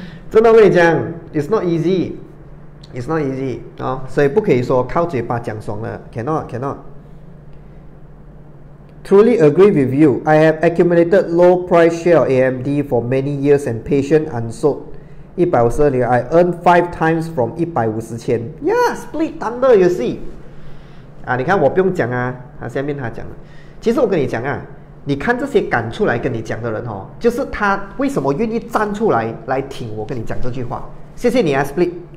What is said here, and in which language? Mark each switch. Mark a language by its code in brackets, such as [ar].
[zh] 真的，我跟你讲 ， [en] it's not easy。It's not easy [zh] 啊，所以不可以说靠嘴巴讲爽了。 [en] Cannot. Truly agree with you. I have accumulated low price share AMD for many years and patient unsold. 150,000 I earn 5 times from 150,000. Yeah, split thunder, you see. [zh] 啊，你看我不用讲啊，他下面他讲了。其实我跟你讲啊，你看这些敢出来跟你讲的人哦，就是他为什么愿意站出来来挺我跟你讲这句话。谢谢你啊 ，split。